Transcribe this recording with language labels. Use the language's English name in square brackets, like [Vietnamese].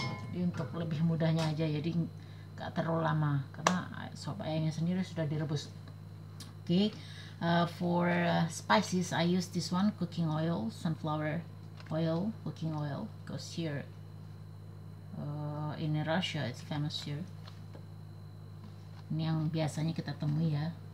[Indonesian] Jadi untuk lebih mudahnya aja, jadi gak terlalu lama karena sop ayamnya sendiri sudah direbus. [English] Okay, for spices I use this one, cooking oil, sunflower oil, cooking oil, because here in Russia it's famous here. [Indonesian] Ini yang biasanya kita temui ya.